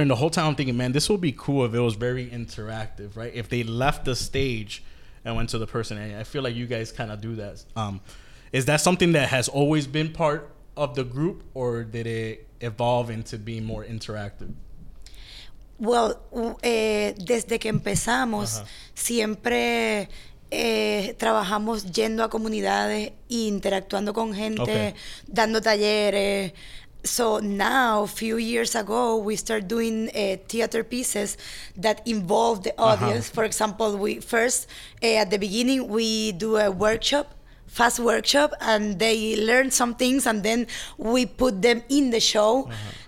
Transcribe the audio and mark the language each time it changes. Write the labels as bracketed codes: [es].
[en] And the whole time I'm thinking, man, this would be cool if it was very interactive, right? If they left the stage and went to the person. And I feel like you guys kind of do that. Is that something that has always been part of the group, or did it evolve into being more interactive? Well, [es] desde que empezamos, siempre trabajamos yendo a comunidades e interactuando con gente, dando talleres. [en] So now, a few years ago, we started doing theater pieces that involve the audience. Uh-huh. For example, we first, at the beginning, we do a workshop. Fast workshop, and they learn some things, and then we put them in the show. Uh-huh.